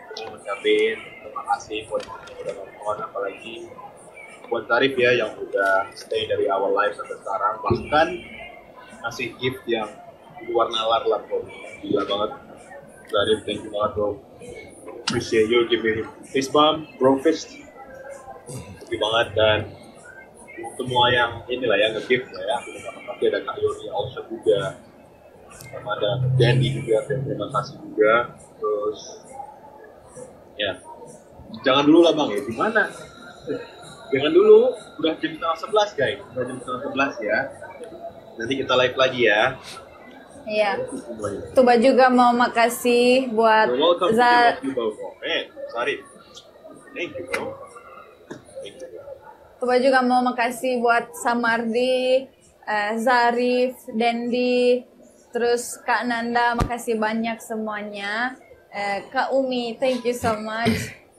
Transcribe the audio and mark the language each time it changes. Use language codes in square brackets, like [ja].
[id] Ucapin terima kasih buat yang udah nonton, apalagi buat Tarif ya yang udah stay dari awal live sampai sekarang, bahkan ngasih gift yang luar nalar lah bro. Gila banget. Tarif, [en] thank you [id] banget bro. [en] Appreciate you giving fist bump, bro fist. Thank you [id] banget dan semua yang inilah yang nge-gift ya. Tapi ada Kak Yoni also juga, sama ada Dandy juga, terima kasih juga. Terus ya, jangan dulu lah bang ya, gimana? Jangan dulu, udah jam 11 guys, udah jam 11 ya. Nanti kita live lagi ya. Iya, Tuba juga mau makasih buat [en] Zal. You're welcome, Zal. [id] Tuba juga mau, [en] Sarif. Thank you bro. [id] Tuba juga mau makasih buat Samardi, Zarif, Dendi, terus Kak Nanda, makasih banyak semuanya. [en] Kak Umi, thank you so much.